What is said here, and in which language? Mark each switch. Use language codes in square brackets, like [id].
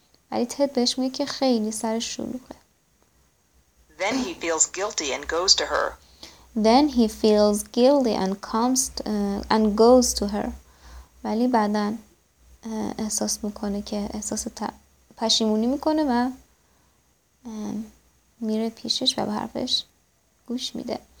[fa] ولی Ted بهش میگه که خیلی سرش شلوغه. [en] Then he feels guilty and goes to her. Then he feels guilty and comes and goes to her. [fa] ولی بعدن احساس میکنه که احساس پشیمونی میکنه و میره پیشش و به حرفش گوش میده.